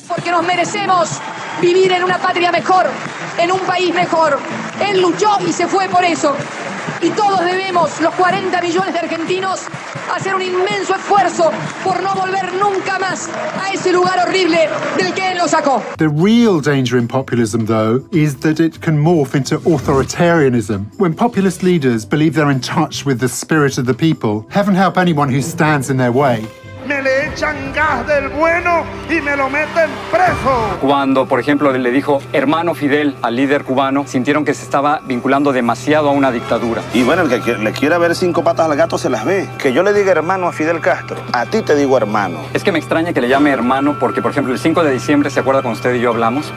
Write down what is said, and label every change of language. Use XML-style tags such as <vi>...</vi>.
<es>Porque nos merecemos vivir en una patria mejor, en un país mejor. Él luchó y se fue por eso. Y todos debemos, los 40 millones de argentinos, hacer un inmenso esfuerzo por no volver nunca más a ese lugar horrible del que él lo sacó.</es> <en>The real danger in populism, though, is that it can morph into authoritarianism. When populist leaders believe they're in touch with the spirit of the people, heaven help anyone who stands in their way.</en> <es>Me le echan gas del bueno y me lo meten preso. Cuando, por ejemplo, le dijo hermano Fidel al líder cubano, sintieron que se estaba vinculando demasiado a una dictadura. Y bueno, el que le quiera ver cinco patas al gato se las ve. Que yo le diga hermano a Fidel Castro, a ti te digo hermano. Es que me extraña que le llame hermano porque, por ejemplo, el 5 de diciembre, ¿se acuerda cuando usted y yo hablamos?</es>